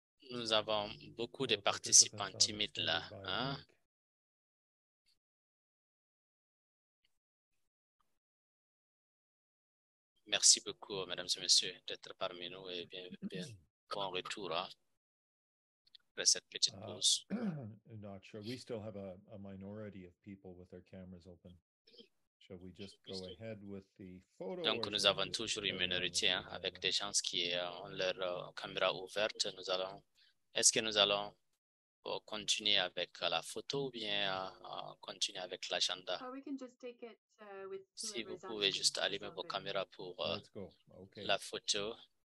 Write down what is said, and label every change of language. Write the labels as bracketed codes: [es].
[fr] Nous avons beaucoup de participants timides là, hein? Merci beaucoup, mesdames et messieurs, d'être parmi nous et bien bon retour après cette petite pause. [en] Not sure. We still have a minority of people with their cameras open. Shall we just go ahead with the photo? [fr] Donc nous avons toujours une minorité avec des gens qui ont leur caméra ouverte. Est-ce que nous allons continuer avec la photo ou bien continuer avec l'agenda? [en] Oh, we can just take it. [fr] Si vous pouvez juste allumer vos caméras pour la photo.